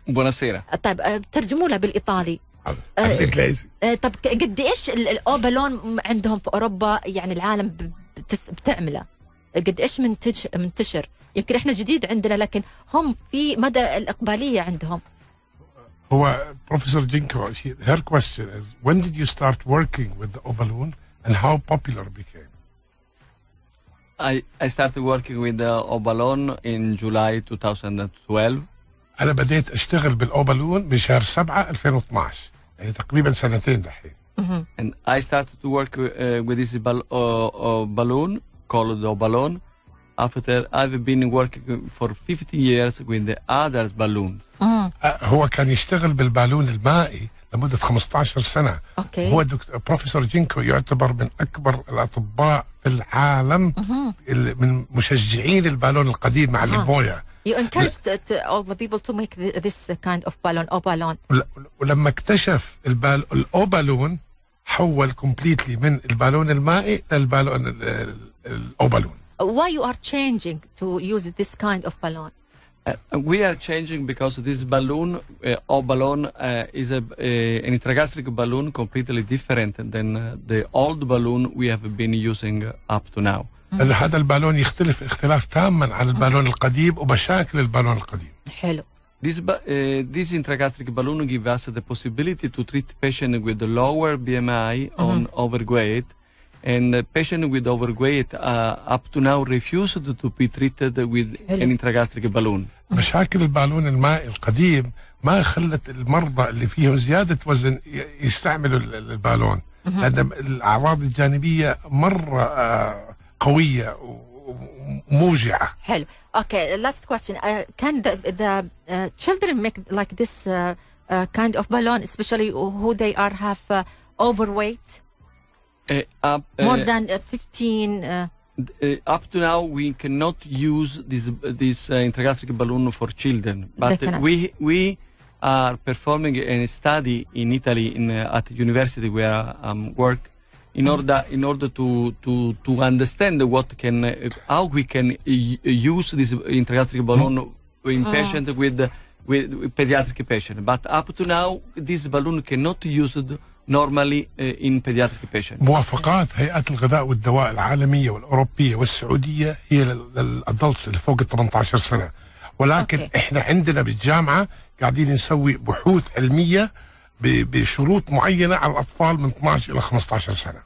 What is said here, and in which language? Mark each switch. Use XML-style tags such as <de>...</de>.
<ar>أبو نسيرة. طيب ترجموا له بالإيطالي. طب قد إيش الأوبالون عندهم في أوروبا يعني العالم بتعمله قد إيش منتشر؟ يمكن إحنا جديد عندنا لكن هم في مدى الإقبالية عندهم.</ar> <en>هو بروفيسور جينكو her question is when did you start working with the Obalon and how popular became. I started working with the Obalon in July 2012.</en> <ar>أنا بديت أشتغل بالأوبالون من شهر 7 2012. يعني تقريبا سنتين دحين.</ar> <en>And I started to work with this balloon called the balloon after I've been working for 50 years with the other balloons.</en> <ar>هو كان يشتغل بالبالون المائي لمدة 15 سنة.</ar> <en>Okay.</en> <ar>هو دكتور بروفيسور جينكو يعتبر من أكبر الأطباء في العالم من مشجعين البالون القديم مع البويا.</ar> <en>You encouraged all the people to make this kind of balloon, obalon.</en> <ar>ولما اكتشف الأوبالون حول completely من البالون المائي للبالون الأوبالون.</ar> <en>Why you are changing to use this kind of balloon? We are changing because this balloon, obalon, is an intragastric balloon completely different than the old balloon we have been using up to now.</en> <ar>أن هذا البالون يختلف اختلاف تاماً عن البالون القديم وبشكل البالون القديم. حلو.</ar> <en>This intragastric balloon give us the possibility to treat patient with the lower BMI on overweight and patient with overweight up to now refused to be treated with an intragastric balloon.</en> <ar>مشاكل البالون المائي القديم ما خلت المرضى اللي فيهم زيادة وزن يستعملوا البالون لأن الأعراض الجانبية مرة قوية وموجعة. حلو.</ar> <en>Okay. Last question. Can the children make like this kind of balloon, especially who they are have overweight? More than 15. Up to now, we cannot use this intragastric balloon for children. But we are performing a study in Italy at university where work. In order to understand what can how we can use this intragastric balloon in patient with pediatric patient, but up to now this balloon cannot used normally in pediatric patient.</en> <ar>موافقات هيئات الغذاء والدواء العالمية والأوروبية والسعودية هي للأدلتس اللي فوق 18 سنة، ولكن إحنا عندنا بالجامعة قاعدين نسوي بحوث علمية بشروط معينة على الأطفال من 12 إلى 15 سنة.</ar>